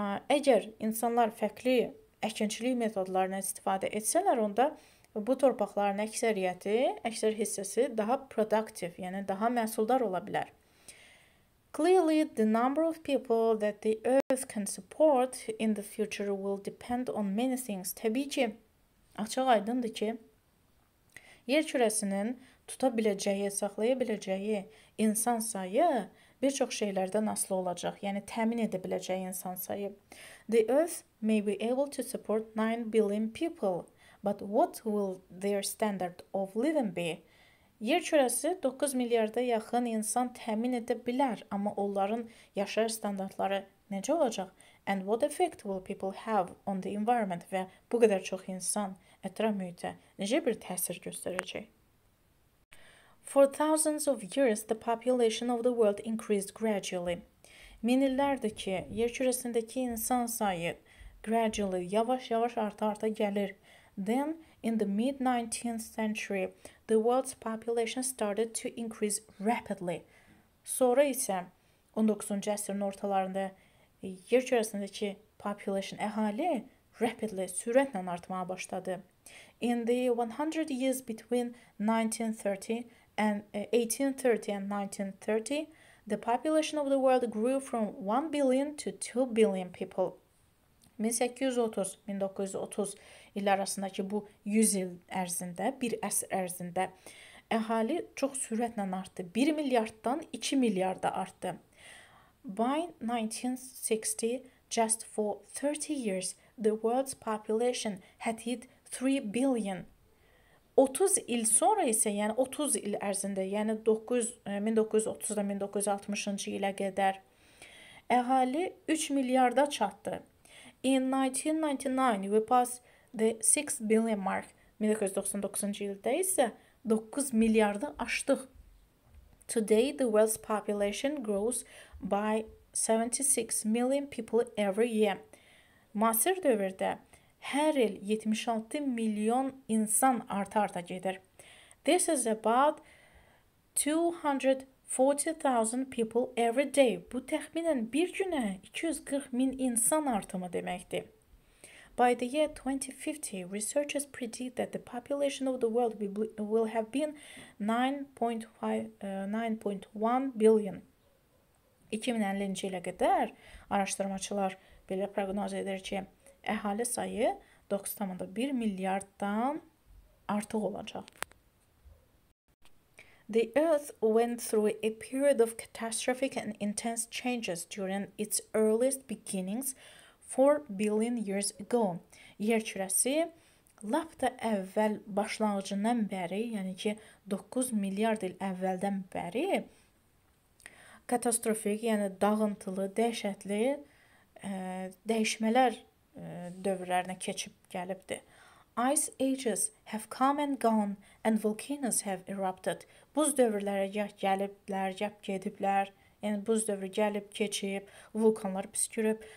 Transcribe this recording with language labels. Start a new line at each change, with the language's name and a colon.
Azerbaijani: Əgər insanlar fərqli əkinçilik metodlarına istifadə etsələr, onda Bu torpaqların əksəriyyəti, əksər hissəsi daha
English: productive,
Azerbaijani: yəni daha məhsuldar ola bilər.
English: Clearly, the number of people that the earth can support in the future will depend on many things.
Azerbaijani: Təbii ki, açıq aydındır ki, yer kürəsinin tuta biləcəyi, saxlaya biləcəyi insan sayı bir çox şeylərdən asılı olacaq, yəni təmin edə biləcəyi insan sayı.
English: The earth may be able to support 9 billion people, but what will their standard of living be?
Azerbaijani: Yer kürəsi 9 milyarda yaxın insan təmin edə bilər, amma onların yaşayış standartları necə olacaq?
English: And what effect will people have on the environment?
Azerbaijani: Və bu qədər çox insan ətraf mühitə necə bir təsir göstərəcək?
English: For thousands of years, the population of the world increased gradually.
Azerbaijani: Min illərdir ki, yer kürəsindəki insan sayı
English: gradually,
Azerbaijani: yavaş-yavaş arta-arta gəlir.
English: Then, in the mid-19th century, the world's population started to increase rapidly.
Azerbaijani: Sonra isə 19-cu əsrin ortalarında yer kürəsindəki
English: population
Azerbaijani: əhali
English: rapidly,
Azerbaijani: sürətlə artmağa başladı.
English: In the 100 years between 1830 and 1930, the population of the world grew from 1 billion to 2 billion people.
Azerbaijani: 1830-1930 il arasındakı bu 100 il ərzində, bir əsr ərzində əhali çox sürətlə artdı. 1 milyarddan 2 milyarda artdı.
English: By 1960, just for 30 years, the world's population had hit 3 billion.
Azerbaijani: 30 il sonra isə, yəni 30 il ərzində, yəni 1930-da 1960-cı ilə qədər əhali 3 milyarda çatdı.
English: In 1999, we passed the 6 billion mark.
Azerbaijani: 1999-cu ildə isə 9 milyardı aşdıq.
English: Today, the world's population grows by 76 million people every year.
Azerbaijani: Müasir dövrdə hər il 76 milyon insan arta-arta gedir.
English: This is about 240,000 people every day.
Azerbaijani: Bu təxminən bir günə 240 min insan artımı deməkdir.
English: By the year 2050, researchers predict that the population of the world will have been 9.1 billion.
Azerbaijani: 2050-ci ilə qədər araşdırmaçılar belə proqnoz edir ki, əhali sayı 9.1 milyarddan artıq olacaq.
English: The Earth went through a period of catastrophic and intense changes during its earliest beginnings 4 billion years ago.
Azerbaijani: Yer kürəsi lap da əvvəl başlanğıcından bəri, yəni ki 9 milyard il əvvəldən bəri katastrofik, yəni dağıntılı, dəhşətli dəyişmələr dövrlərinə keçib gəlibdir.
English: Ice ages have come and gone and volcanoes have erupted.
Azerbaijani: Buz dövrləri gəliblər, gəlib gediblər. Yəni buz dövrü gəlib keçib, vulkanlar püskürüb.